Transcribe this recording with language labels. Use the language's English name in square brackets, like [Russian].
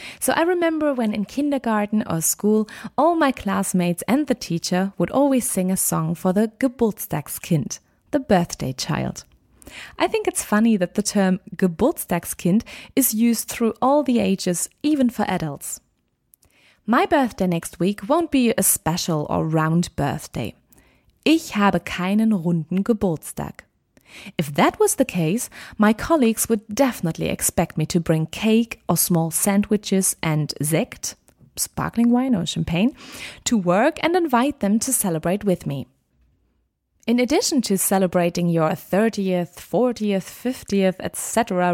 [English] So I remember when in kindergarten or school, all my classmates and the teacher would always sing a song for the Geburtstagskind, the birthday child. I think it's funny that the term Geburtstagskind is used through all the ages, even for adults. My birthday next week won't be a special or round birthday. [German] Ich habe keinen runden Geburtstag. [English] If that was the case, my colleagues would definitely expect me to bring cake or small sandwiches and Sekt, sparkling wine or champagne, to work and invite them to celebrate with me. In addition to celebrating your 30th, 40th, 50th, etc.